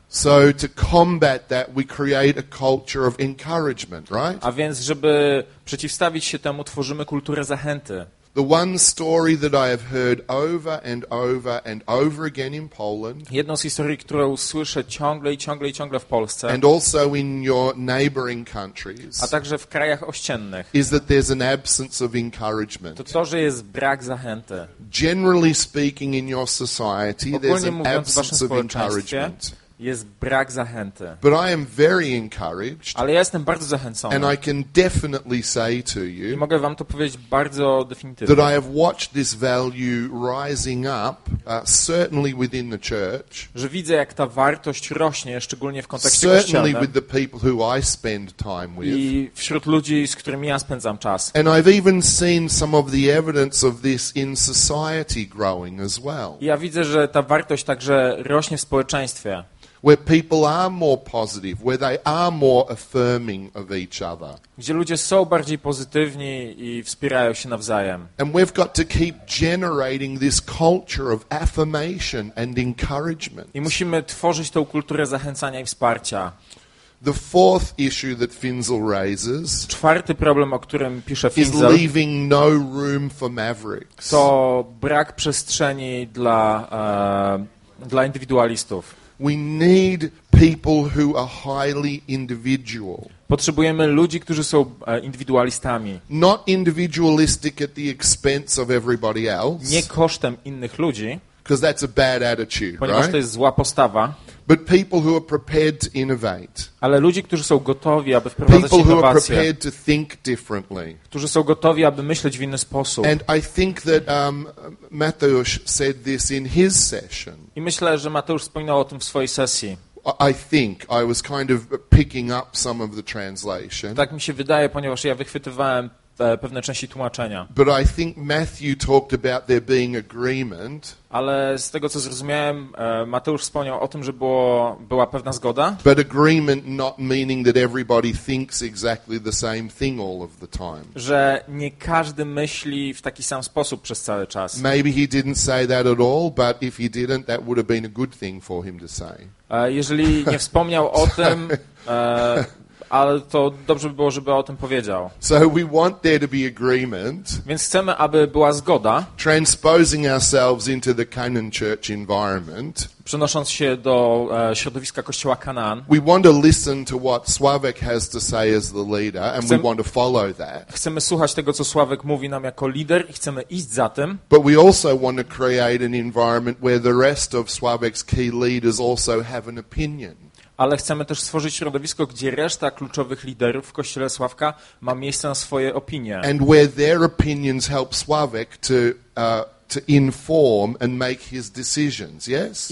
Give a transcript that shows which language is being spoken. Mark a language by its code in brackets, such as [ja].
[en] So to combat that we create a culture of encouragement, right? [pl] A więc żeby przeciwstawić się temu, tworzymy kulturę zachęty. [en] The one story that I have heard over and over and over again in Poland. [pl] Jedną z historii, którą słyszę ciągle i ciągle i ciągle w Polsce. [en] And also in your neighboring countries. [pl] A także w krajach ościennych. [en] Is that there's an absence of encouragement. [pl] To, że jest brak zachęty. [en] Generally speaking in your society there's an absence of encouragement. [pl] Jest brak zachęty. [en] But I am very encouraged. [pl] Ale ja jestem bardzo zachęcony. [en] And I can definitely say to you. [pl] I mogę wam to powiedzieć bardzo definitywnie. [en] That I have watched this value rising up, certainly within the church. [pl] Że widzę, jak ta wartość rośnie, szczególnie w kontekście [en] certainly [pl] kościelnym. [en] Certainly with the people who I spend time with. [pl] I wśród ludzi, z którymi ja spędzam czas. [en] And I've even seen some of the evidence of this in society growing as well. [pl] Ja widzę, że ta wartość także rośnie w społeczeństwie. [en] Where people are more positive, where they are more affirming of each other. [pl] Gdzie ludzie są bardziej pozytywni i wspierają się nawzajem. [en] And we've got to keep generating this culture of affirmation and encouragement. [pl] I musimy tworzyć tą kulturę zachęcania i wsparcia. [en] The fourth issue that Finzel raises. [pl] Czwarty problem, o którym pisze Finzel. [en] Is leaving no room for mavericks. [pl] To brak przestrzeni dla indywidualistów. [en] We need people who are highly individual. [pl] Potrzebujemy ludzi, którzy są indywidualistami. [en] Not individualistic at the expense of everybody else. [pl] Nie kosztem innych ludzi. [en] Because that's a bad attitude, [pl] ponieważ [en] right? [pl] To jest zła postawa. [en] But people who are prepared to innovate. [pl] Ale ludzi, którzy są gotowi, aby wprowadzać [en] people [pl] innowacje. [en] People who are prepared to think differently. [pl] Którzy są gotowi, aby myśleć w inny sposób. [en] And I think that Mateusz said this in his session. [pl] I myślę, że Mateusz wspominał o tym w swojej sesji. [en] I think I was kind of picking up some of the translation. [pl] Tak mi się wydaje, ponieważ ja wychwytywałem pewne części tłumaczenia. [en] But I think Matthew talked about there being agreement. [pl] Ale z tego, co zrozumiałem, Mateusz wspomniał o tym, że była pewna zgoda. [en] But agreement not meaning that everybody thinks exactly the same thing all of the time. [pl] Że nie każdy myśli w taki sam sposób przez cały czas. [en] Maybe he didn't say that at all, but if he didn't, that would have been a good thing for him to say. [pl] Jeżeli nie wspomniał o tym, ale to dobrze by było, żeby o tym powiedział. [en] So we want there to be agreement. [pl] Więc chcemy, aby była zgoda. [en] Transposing ourselves into the Canaan Church environment. [pl] Przenosząc się do środowiska kościoła Canaan. [en] We want to listen to what Sławek has to say as the leader, and we want to follow that. [pl] Chcemy słuchać tego, co Sławek mówi nam jako lider, i chcemy iść za tym. [en] But we also want to create an environment where the rest of Sławek's key leaders also have an opinion. [pl] Ale chcemy też stworzyć środowisko, gdzie reszta kluczowych liderów w Kościele Sławka ma miejsce na swoje opinie. [en] And where their opinions help Sławek to to inform and make his decisions, yes?